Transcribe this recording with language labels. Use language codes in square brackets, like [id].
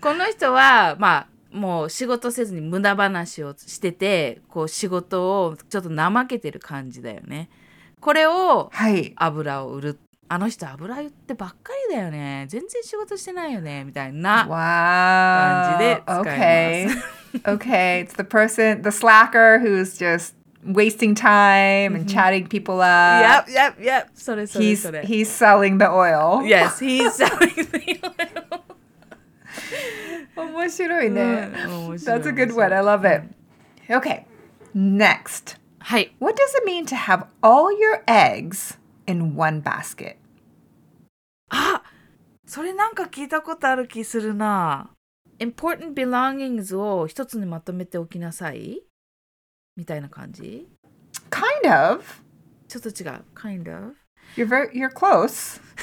[ja] この人は、まあもう仕事せずに無駄話をしてて、こう仕事をちょっと怠けてる感じだよね。これを油を売る、はい、あの人油売ってばっかりだよね、全然仕事してないよねみたいな感じで使います。 [en] Wow. Okay. Okay. It's the person, the slacker who's just wasting time and chatting people up. Yep, yep, yep. [ja] それそれそれ。 [en] He's selling the oil. Yes, he's selling the oil. [ja] 面白いね。面白い。 [en] That's a good one. I love it. Okay. Next. [ja] はい。 [en] What does it mean to have all your eggs in one basket? [ja] あ、それなんか聞いたことある気するな。 [en] Important belongings [ja] を一つにまとめておきなさい。みたいな感じ? [en] Kind of. [ja] ちょっと違う。 [en] Kind of. You're close.